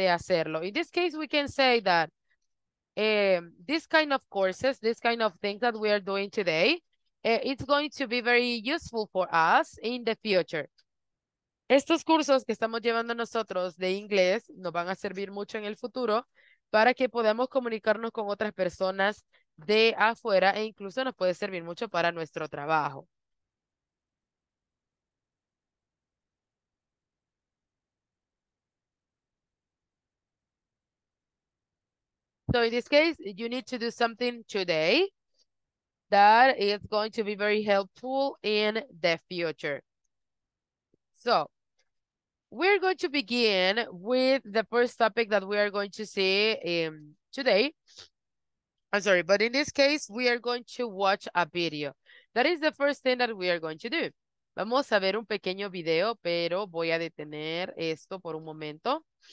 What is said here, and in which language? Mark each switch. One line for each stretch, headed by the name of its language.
Spanish: De hacerlo.
English: In this case, we can say that this kind of courses, this kind of things that we are doing today, it's going to be very useful for us in the future.
Spanish: Estos cursos que estamos llevando nosotros de inglés nos van a servir mucho en el futuro, para que podamos comunicarnos con otras personas de afuera e incluso nos puede servir mucho para nuestro trabajo.
English: So in this case, you need to do something today that is going to be very helpful in the future. So, we're going to begin with the first topic that we are going to see today. I'm sorry, but in this case, we are going to watch a video. That is the first thing that we are going to do.
Spanish: Vamos a ver un pequeño video, pero voy a detener esto por un momento.